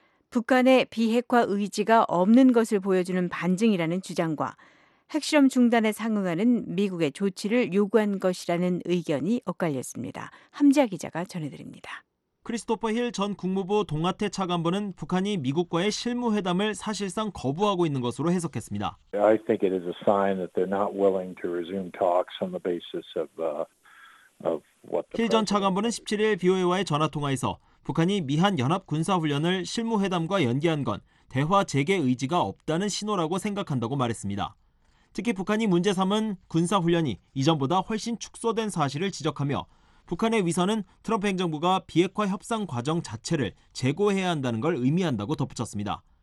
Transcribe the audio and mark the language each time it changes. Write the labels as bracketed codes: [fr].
[ko] 북한의 비핵화 의지가 없는 것을 보여주는 반증이라는 주장과 핵실험 중단에 상응하는 미국의 조치를 요구한 것이라는 의견이 엇갈렸습니다. 함지아 기자가 전해드립니다. 크리스토퍼 힐 전 국무부 동아태 차관보는 북한이 미국과의 실무회담을 사실상 거부하고 있는 것으로 해석했습니다. [en] I think it is a sign that they're not willing to resume talks on the basis of what the [ko] 힐 전 차관보는 17일 BOA와의 전화통화에서 북한이 미한연합군사훈련을 실무회담과 연기한 건 대화 재개 의지가 없다는 신호라고 생각한다고 말했습니다. 특히 북한이 문제 삼은 군사훈련이 이전보다 훨씬 축소된 사실을 지적하며 북한의 위선은 트럼프 행정부가 비핵화 협상 과정 자체를 재고해야 한다는 걸 의미한다고 덧붙였습니다.